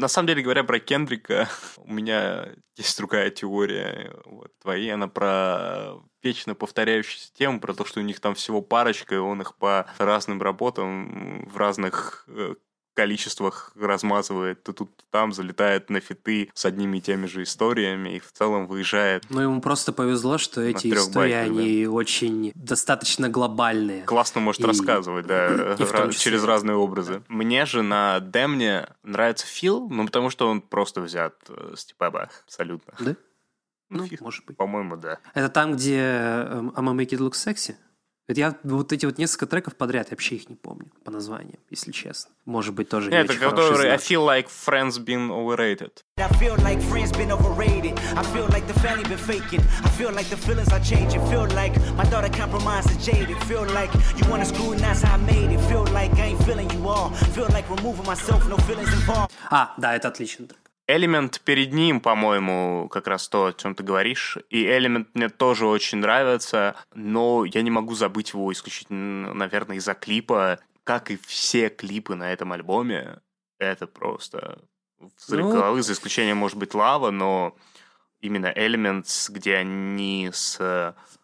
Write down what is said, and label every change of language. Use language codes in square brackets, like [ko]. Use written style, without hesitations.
[ru] На самом деле, говоря про Кендрика, у меня есть другая теория, вот, твои, она про вечно повторяющуюся тему, про то, что у них там всего парочка, и он их по разным работам в разных количествах размазывает, то тут, то там, залетает на фиты с одними и теми же историями и в целом выезжает. Ну, ему просто повезло, что эти истории, байках, они, да, очень достаточно глобальные. Классно может и... рассказывать, да, через разные образы. Да. Мне же на Демне нравится Фил, ну, потому что он просто взят с Типеба, абсолютно. Да? Ну, Фил, может быть. По-моему, да. Это там, где I'ma Make It Look Sexy? Ведь я вот эти вот несколько треков подряд, я вообще их не помню по названиям, если честно. Может быть, тоже нет, не очень хороший знак. [en] I feel like friends been overrated. I feel like friends been overrated. I feel like the family been faking. I feel like the feelings are changing. Feel like my daughter compromised is jaded. Feel like you wanna screw and that's how I made it. Feel like I ain't feeling you all. Feel like removing myself, no feelings involved. [ru] А, да, это отличный трек. Элемент перед ним, по-моему, как раз то, о чем ты говоришь. И Элемент мне тоже очень нравится, но я не могу забыть его исключительно, наверное, из-за клипа. Как и все клипы на этом альбоме, это просто взрыв головы, за исключением, может быть, Лава, но именно Элемент, где они с